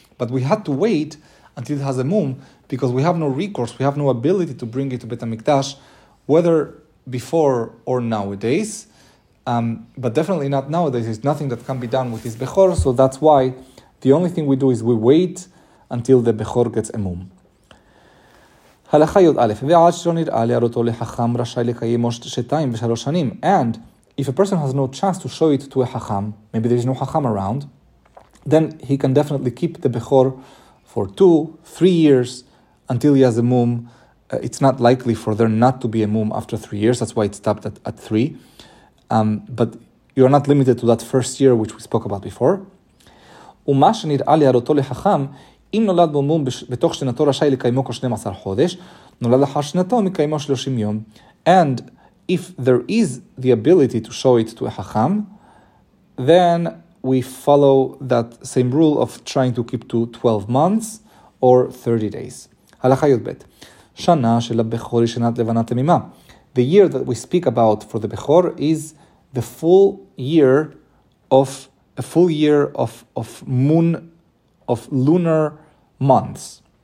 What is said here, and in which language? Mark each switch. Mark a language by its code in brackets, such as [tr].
[en] But we had to wait until it has a mum, because we have no recourse, we have no ability to bring it to Beit HaMikdash, whether before or nowadays, but definitely not nowadays. There's nothing that can be done with this Bechor, so that's why the only thing we do is we wait until the Bechor gets a mum. [he] הלכה יוד א', ועד שלא נראה להראותו לחכם רשאי לקיים עוד שתיים ושלוש שנים. [en] And if a person has no chance to show it to a chacham, maybe there is no chacham around, then he can definitely keep the bechor for 2-3 years until he has a mum. It's not likely for there not to be a mum after 3 years, that's why it stopped at 3. But you are not limited to that first year which we spoke about before. [he] ומה שנראה להראותו לחכם, אם נולד בו מום בתוך שנתו רשאי לקיימו כ-12 חודש, נולד לאחר שנתו מקיימו 30 יום. [en] And if there is the ability to show it to a chacham, then we follow that same rule of trying to keep to 12 months or 30 days. [he] הלכה י"ב. שנה של הבכור היא שנת לבנה תמימה. [en] The year that we speak about for the bechor is the full year of a full year of moon of lunar months.